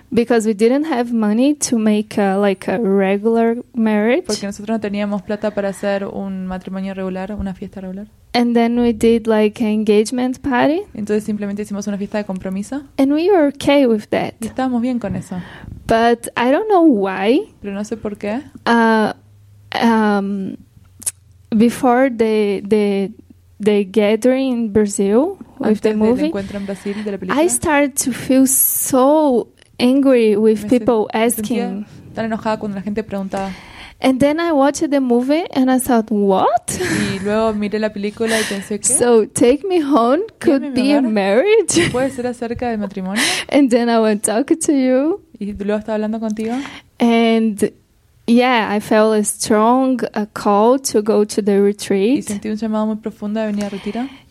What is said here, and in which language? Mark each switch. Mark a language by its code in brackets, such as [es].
[en] because we didn't have money to make a regular marriage, [es] porque nosotros no teníamos plata para hacer un matrimonio regular, una fiesta regular, [en] and then we did like an engagement party, [es] entonces simplemente hicimos una fiesta de compromiso, [en] and we were okay with that, [es] y estábamos bien con eso, [en] but I don't know why, [es] pero no sé por qué, [en] Before the gathering in Brazil with [es] antes [en] the movie, [es] del encuentro en Brasil, de la película, [en] I started to feel so angry with [es] me [en] people asking. [es] Tan enojada cuando la gente preguntaba. [en] And then I watched the movie and I thought, what? [es] Y luego miré la película y pensé, ¿qué? [en] So take me home could be a marriage. [es] Puede ser acerca del matrimonio. [en] And then I went talking to you. [es] Y luego estaba hablando contigo. [en] And yeah, I felt a strong call to go to the retreat. [es] Y sentí un llamado muy profundo de venir a retiro.